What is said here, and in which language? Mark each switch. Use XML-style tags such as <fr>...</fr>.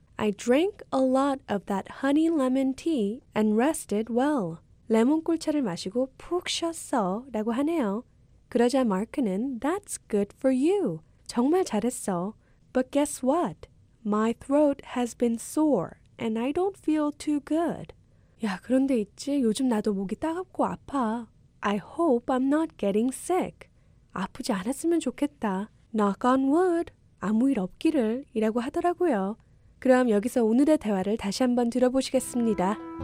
<en>I drank a lot of that honey lemon tea and rested well.</en> <ko>레몬 꿀차를 마시고 푹 쉬었어 라고 하네요. 그러자 마크는</ko> <en>That's good for you.</en> <ko>정말 잘했어.</ko> <en>But guess what? My throat has been sore and I don't feel too good.</en> <ko>야, 그런데 있지. 요즘 나도 목이 따갑고 아파.</ko> <en>I hope I'm not getting sick.</en> <ko>아프지 않았으면 좋겠다.</ko> <en>Knock on wood.</en> <ko>아무 일 없기를 이라고 하더라고요. 그럼 여기서 오늘의 대화를 다시 한번 들어보시겠습니다.</ko>